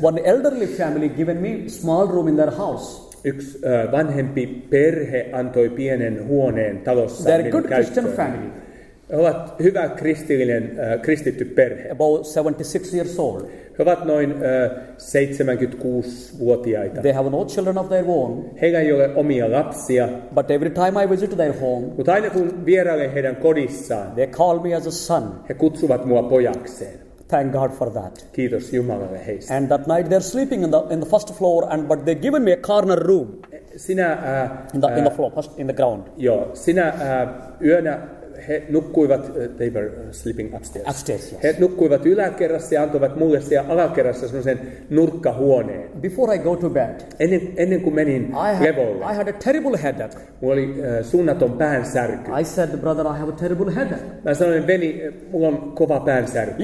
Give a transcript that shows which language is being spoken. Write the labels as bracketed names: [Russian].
[English] One elderly family given me small room in their house. [Finnish] Yksi vanhempi perhe antoi pienen huoneen talossa minun käyttöön. [English] They're a good Christian family. [Finnish] He ovat hyvä kristillinen, kristitty perhe. [English] About 76 years old. [Finnish] He ovat noin 76-vuotiaita. [English] They have no children of their own. [Finnish] Heillä ei ole omia lapsia. [English] But every time I visit their home. [Finnish] Mutta aina kun vierailen heidän kodissaan. [English] They call me as a son. [Finnish] He kutsuvat mua pojakseen. [English] Thank God for that. [Finnish] Kiitos Jumalalle heistä. [English] And that night they're sleeping in the first floor, and but they've given me a corner room. [Finnish] Sinä [English] in the floor, first in the ground. [Finnish] Joo, sinä yönä he nukkuivat, [English] they were sleeping upstairs. Upstairs, yes. [Finnish] He nukkuivat yläkerrassa ja antoivat mulle siellä alakerrassa semmoisen nurkkahuoneen. [English] Before I go to bed. [Finnish] Ennen kuin menin levolle. [English] I had a terrible headache. [Finnish] Mulla oli suunnaton päänsärky. [English] I said, brother, I have a terrible headache. [Finnish] Mä sanoin, veni, mulla on kova päänsärky.